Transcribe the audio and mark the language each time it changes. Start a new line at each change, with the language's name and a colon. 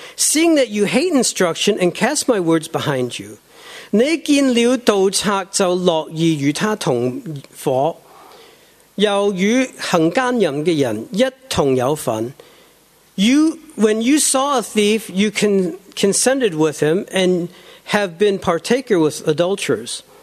English: seeing that you hate instruction and cast my words behind you.
Chinese: 你见了盗贼就乐意与他同伙，又与行奸淫的人一同有份。
English: When you saw a thief, you consented with him and have been partaker with adulterers.